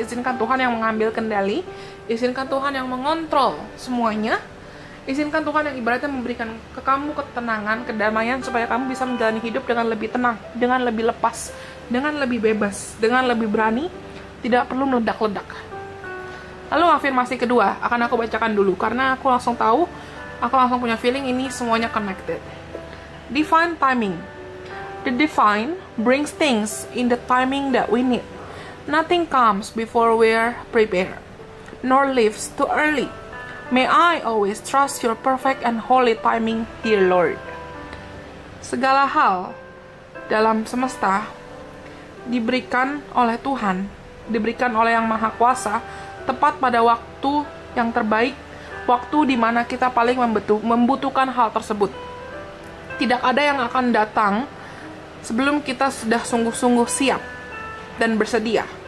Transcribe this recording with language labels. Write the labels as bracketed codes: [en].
[id] Izinkan Tuhan yang mengambil kendali, izinkan Tuhan yang mengontrol semuanya, izinkan Tuhan yang ibaratnya memberikan ke kamu ketenangan, kedamaian, supaya kamu bisa menjalani hidup dengan lebih tenang, dengan lebih lepas, dengan lebih bebas, dengan lebih berani, tidak perlu meledak-ledak. Lalu afirmasi kedua, akan aku bacakan dulu, karena aku langsung tahu, aku langsung punya feeling ini semuanya connected. [en] Divine timing. The divine brings things in the timing that we need. Nothing comes before we're prepared, nor leaves too early. May I always trust your perfect and holy timing, dear Lord. [id] Segala hal dalam semesta diberikan oleh Tuhan, diberikan oleh Yang Maha Kuasa, tepat pada waktu yang terbaik, waktu di mana kita paling membutuhkan hal tersebut. Tidak ada yang akan datang sebelum kita sudah sungguh-sungguh siap dan bersedia.